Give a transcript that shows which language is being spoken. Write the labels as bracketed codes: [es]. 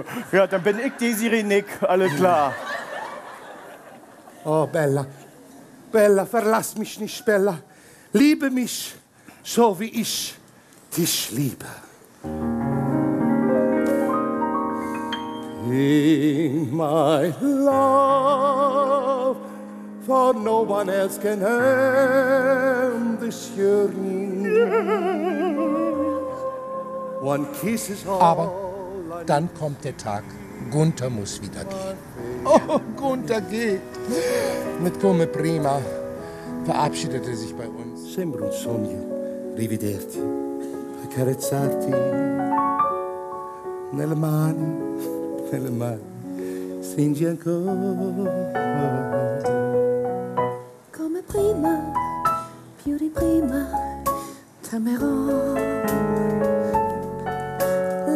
[de] Ja, dann bin ich die Sirenik, alles klar. Oh, Bella. Bella, verlass mich nicht, Bella. Liebe mich, so wie ich dich liebe. [en] In my love, for no one else can end this yearning. One kiss is all. [de] Aber dann kommt der Tag, Gunther muss wieder gehen. Oh, Gunther geht. Mit Come Prima verabschiedet er sich bei uns. [it] Sembra un sogno, rivederti, accarezzarti, nelle mani. Stringi ancora. Come prima, più di prima, t'amerò.